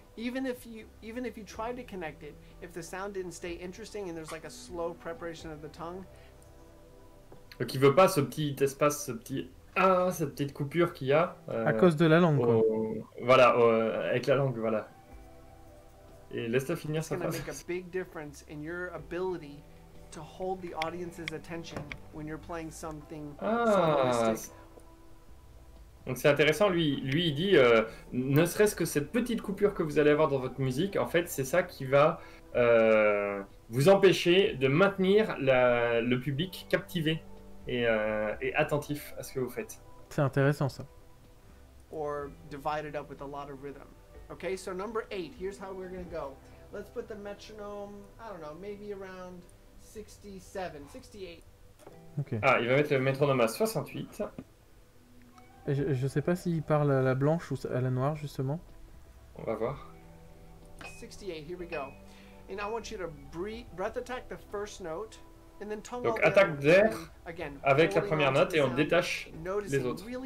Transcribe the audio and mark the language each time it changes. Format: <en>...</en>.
<en>Even if you tried to connect it, if the sound didn't stay interesting and there's like a slow preparation of the tongue,</en> <fr>donc il veut pas ce petit espace, ce petit cette petite coupure qu'il y a à cause de la langue. Quoi. Voilà, avec la langue, voilà. Et laisse-la finir sa phrase.</fr> <en>It's gonna make a big difference in your ability to hold the audience's attention when you're playing something soloistic.</en> <fr>Donc c'est intéressant, lui il dit ne serait-ce que cette petite coupure que vous allez avoir dans votre musique, en fait c'est ça qui va vous empêcher de maintenir le public captivé. Et attentif à ce que vous faites. C'est intéressant ça.</fr> <en>Or divided up with a lot of rhythm. Okay, so number 8, here's how we're going to go. Let's put the metronome, I don't know, maybe around 67, 68. Okay.</en> <fr>Ah, il va mettre le métronome à 68. Et je sais pas s'il parle à la blanche ou à la noire justement. On va voir.</fr> <en>68, here we go. And I want you to breath attack the first note.</en> <fr>Donc attaque d'air avec la première note et on détache les autres.</fr>